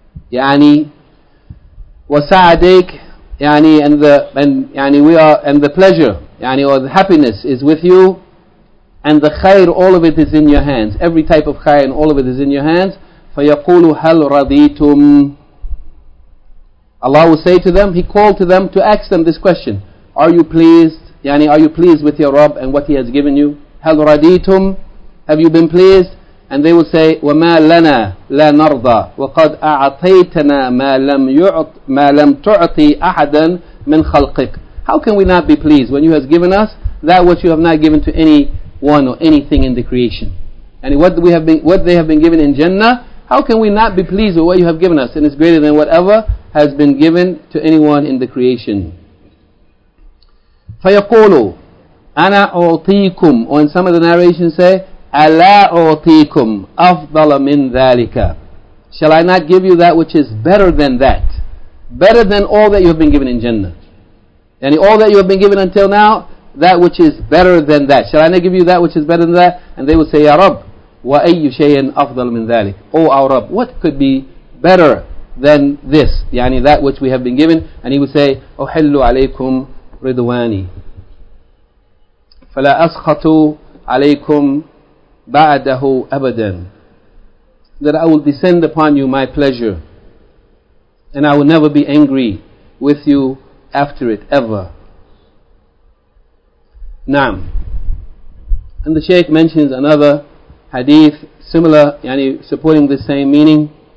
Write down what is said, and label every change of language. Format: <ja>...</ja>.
<en>Yani wasa'adik, yani and we are, and the pleasure, yani or the happiness is with you, and the khair, all of it is in your hands. Every type of khair and all of it is in your hands.</en> <ar>فَيَقُولُ هَلْ رَضِيتُمْ,</ar> <en>Allah will say to them, He called to them to ask them this question. Are you pleased? Yani, are you pleased with your Rabb and what He has given you?</en> <ar>Hal raditum?</ar> <en>Have you been pleased? And they will say,</en> <ar>وَمَا لَنَا لَا نَرْضَى وَقَدْ أَعْطَيْتَنَا مَا لَمْ تُعْطِي أَحَدًا مِنْ خَلْقِكَ.</ar> <en>How can we not be pleased when You have given us that which You have not given to anyone or anything in the creation? And what they have been given in Jannah, how can we not be pleased with what You have given us? And it's greater than whatever has been given to anyone in the creation.</en> <ar>فَيَقُولُ أَنَا أُعْطِيكُمْ.</ar> <en>Or in some of the narrations say,</en> <ar>أَلَا أُعْطِيكُمْ أَفْضَلَ مِنْ ذَٰلِكَ.</ar> <en>Shall I not give you that which is better than that? Better than all that you have been given in Jannah. And all that you have been given until now, that which is better than that. Shall I not give you that which is better than that? And they will say, Ya Rabb,</en> <ar>وَأَيُّ شَيْءٍ أَفْضَلُ مِنْ ذَٰلِكَ.</ar> <en>O our Rabb, what could be better than this? Yani that which we have been given. And He will say,</en> <ar>أُحِلُّ عَلَيْكُمْ رِضْوَانِي فَلَا أَسْخَطُ عَلَيْكُمْ بَعْدَهُ أَبَدًا.</ar> <en>That I will descend upon you My pleasure, and I will never be angry with you after it, ever. Naam. And the Shaykh mentions another hadith similar, yani supporting the same meaning.</en>